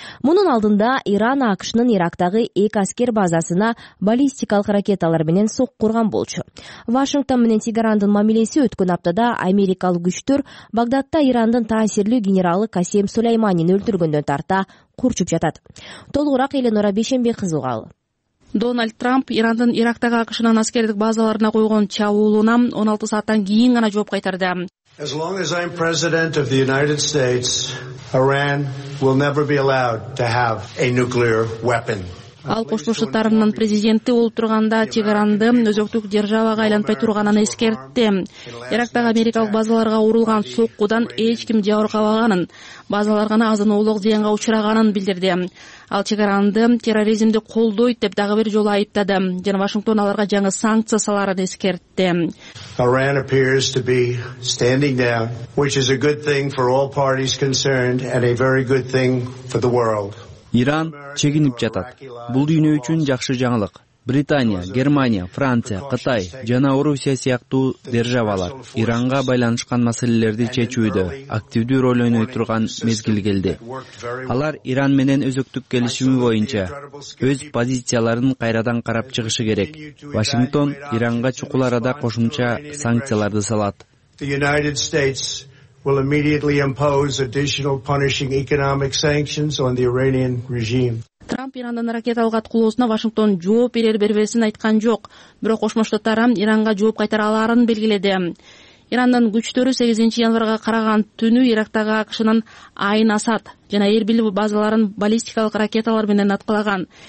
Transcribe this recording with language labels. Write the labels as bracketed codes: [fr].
[ky] Мунун алдында Иран АКШнын Ирактагы 2 аскер базасына баллистикалык ракеталар менен сокку урган болчу. Вашингтон менен Тегерандын мамилеси өткөн аптада америкалык күчтөр Багдадта Ирандын таасирлүү генералы Касем Сулейманини өлтүргөндөн тарта курчуп жатат. Толугураак Эленора Бешенбек кызы угалы. Дональд Трамп Ирандын Ирактагы АКШнын аскердик базаларына койгон чабуулуна 16 сааттан кийин гана жооп кайтарды. [en] As long as I'm president of the United States, Iran will never be allowed to have a nuclear weapon. [ky] Ал Кошмо Штаттарынын президенти болуп турганда Тегеранды өзөктүк державага айланбай турганын эскертти. Ирактагы америкалык базаларга урулган соккудан эч ким жабыркабаганын, базаларга азын оолук зыянга учураганын билдирди. Ал Тегеранды терроризмди колдойт деп дагы бир жолу айыптады жана Вашингтон аларга жаңы санкция саларын эскертти. [en] Iran appears to be standing down, which is a good thing for all parties concerned and a very good thing for the world. [ky] Иран чегинип жатат. Бул дүйнө үчүн жакшы жаңылык. Британия, Германия, Франция, Кытай жана Орусия сыяктуу державалар Иранга байланышкан маселелерди чечүүдө активдүү рол ойной турган мезгил келди. Алар Иран менен өзөктүк келишими боюнча өз позицияларын кайрадан карап чыгышы керек. Вашингтон Иранга чукул арада кошумча санкцияларды салат. [en] Will immediately impose additional punishing economic sanctions on the Iranian regime. [ky] Трамп Ирандын ракеталык аткылоосуна Вашингтон жооп берер бербесин айткан жок, бирок Кошмо Штаттар Иранга жооп кайтара аларын белгиледи. Ирандын күчтөрү 8 январга караган түнү Ирактагы АКШнын Айн Асад жана Эрбил базаларын баллистикалык ракеталар менен аткылаган.